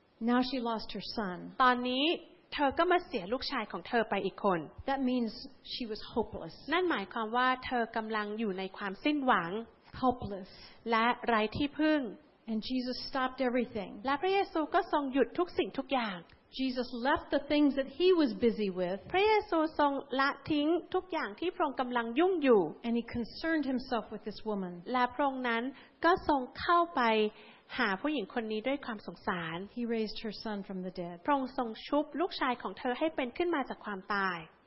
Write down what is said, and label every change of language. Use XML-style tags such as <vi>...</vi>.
<en>Now she lost her son</en> <th>ตอนนี้เธอก็มาเสียลูกชายของเธอไปอีกคน</th> <en>That means she was hopeless</en> <th>นั่นหมายความว่าเธอกำลังอยู่ในความสิ้นหวัง</th> <en>Hopeless</en> <th>และไร้ที่พึ่ง</th> <en>And Jesus stopped everything</en> <th>และพระเยซูก็ทรงหยุดทุกสิ่งทุกอย่าง</th> <en>Jesus left the things that he was busy with</en> <th>พระเยซูทรงละทิ้งทุกอย่างที่พระองค์กำลังยุ่งอยู่</th> <en>And he concerned himself with this woman</en> <th>และพระองค์นั้นก็ทรงเข้าไปหาผู้หญิงคนนี้ด้วยความสงสาร</th> <en>He raised her son from the dead</en> <th>พระองค์ทรงชุบลูกชายของเธอให้เป็นขึ้นมาจากความตาย</th>